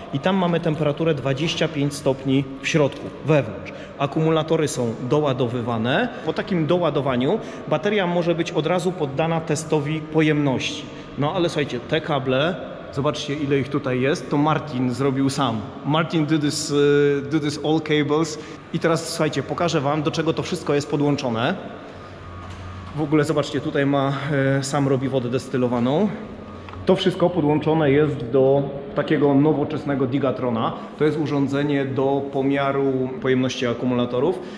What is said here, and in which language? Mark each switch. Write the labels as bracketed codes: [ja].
[pl] I tam mamy temperaturę 25 stopni w środku, wewnątrz. Akumulatory są doładowywane. Po takim doładowaniu bateria może być od razu poddana testowi pojemności. No ale słuchajcie, te kable, zobaczcie ile ich tutaj jest, to Martin zrobił sam. [en] Martin did this all cables. [pl] I teraz słuchajcie, pokażę Wam, do czego to wszystko jest podłączone. W ogóle zobaczcie, tutaj ma, sam robi wodę destylowaną. To wszystko podłączone jest do takiego nowoczesnego Digatrona. To jest urządzenie do pomiaru pojemności akumulatorów.